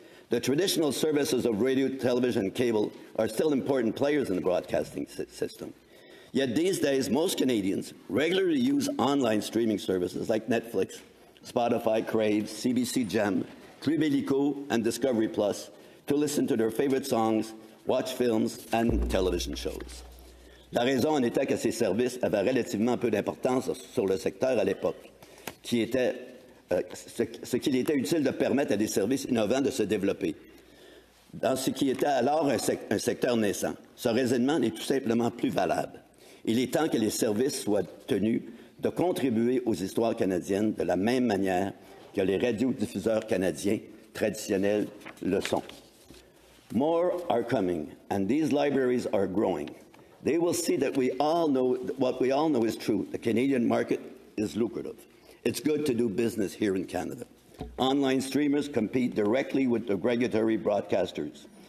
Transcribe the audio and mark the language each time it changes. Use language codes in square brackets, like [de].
[en] The traditional services of radio, television, and cable are still important players in the broadcasting system. Yet these days, most Canadians regularly use online streaming services like Netflix, Spotify, Crave, CBC Gem, Tribilico, and Discovery Plus to listen to their favorite songs, watch films and television shows. [fr] La raison en était que ces services avaient relativement peu d'importance sur le secteur à l'époque, qui était ce qu'il était utile de permettre à des services innovants de se développer dans ce qui était alors un secteur naissant. Ce raisonnement n'est tout simplement plus valable. Il est temps que les services soient tenus de contribuer aux histoires canadiennes de la même manière que les radiodiffuseurs canadiens traditionnels le sont. [en] More are coming, and these libraries are growing. They will see that we all know what we all know is true. The Canadian market is lucrative. It's good to do business here in Canada. Online streamers compete directly with the regulatory broadcasters.